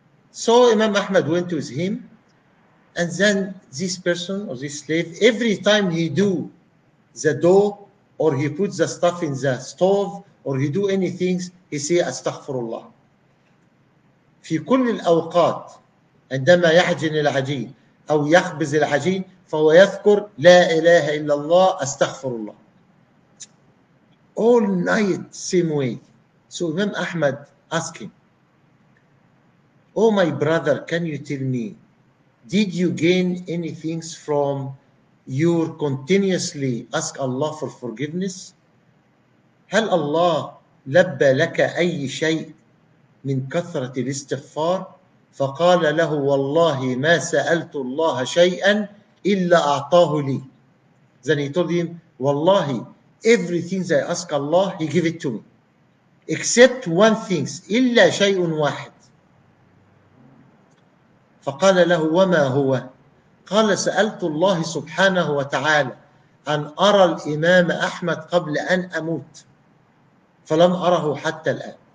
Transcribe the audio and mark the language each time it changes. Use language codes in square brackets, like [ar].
[en] So Imam Ahmad went with him. And then this person or this slave, every time he do the dough or he put the stuff in the stove or he do any things, he say, Astaghfirullah. [ar] في كل الأوقات عندما يعجن العجين أو يخبز العجين فهو يذكر لا إله إلا الله Astaghfirullah. [en] All night, same way. So Imam Ahmad asked him, Oh my brother, can you tell me Did you gain any things from your continuously ask Allah for forgiveness? [ar] هل الله لبى لك أي شيء من كثرة الاستغفار؟ فقال له: والله ما سألت الله شيئا إلا أعطاه لي. [en] Then he told him, والله everything that I ask Allah, he give it to me. Except one thing, [ar] إلا شيء واحد. فقال له: وما هو؟ قال: سألت الله سبحانه وتعالى أن أرى الإمام أحمد قبل أن أموت، فلم أره حتى الآن.